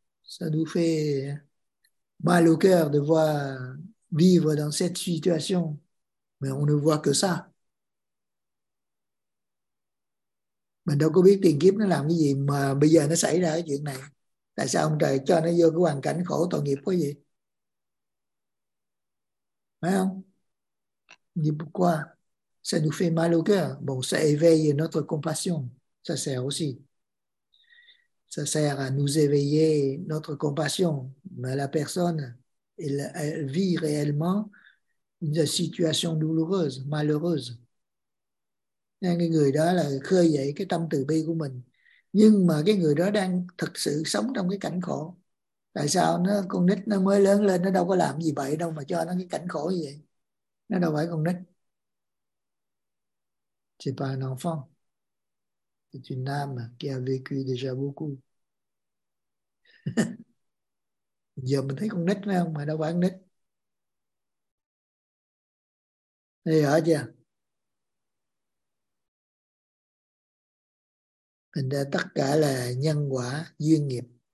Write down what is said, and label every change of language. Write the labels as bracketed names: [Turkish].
[French] Ça nous fait mal au cœur de voir vivre dans cette situation. Mais on ne voit que ça. [Vietnamese] Mình đâu có biết tiền kiếp nó làm cái gì mà bây giờ nó xảy ra cái chuyện này. Tại sao ông trời cho nó vô cái hoàn cảnh khổ tội nghiệp quá vậy? Phải không? Nhìn qua. [French] Ça nous fait mal au cœur. Bon, ça éveille notre compassion. Ça sert aussi. Ça sert à nous éveiller notre compassion. Mais la personne, elle vit réellement une situation douloureuse, malheureuse. [Vietnamese] Nên cái người đó là khơi dậy cái tâm từ bi của mình. Nhưng mà cái người đó đang thực sự sống trong cái cảnh khổ. Tại sao nó con nít nó mới lớn lên, nó đâu có làm gì bậy đâu mà cho nó cái cảnh khổ như vậy. Nó đâu phải con nít. [French] C'est pas un enfant. C'est une âme qui a vécu déjà beaucoup. [Vietnamese] Giờ mình thấy con nít phải không? Mà đâu phải con nít. Thấy rõ chưa? Thành ra tất cả là nhân quả, duyên nghiệp.